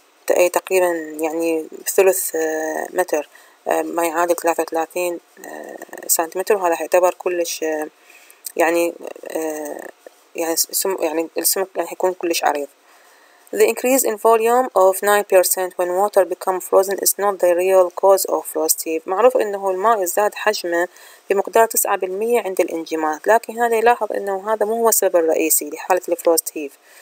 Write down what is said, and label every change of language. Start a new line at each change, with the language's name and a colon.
Arabic: أي تقريبا يعني ثلث متر ما يعادل 33 سنتيمتر، وهذا يعتبر كلش يعني يعني السمك راح يكون كلش عريض.
English: The increase in volume of 9% when water become frozen is not the real cause of frost heave.
Arabic: معروف انه الماء يزداد حجمه بمقدار 9% عند الانجماد، لكن هذا يلاحظ انه هذا مو هو السبب الرئيسي لحالة الفروست هيف.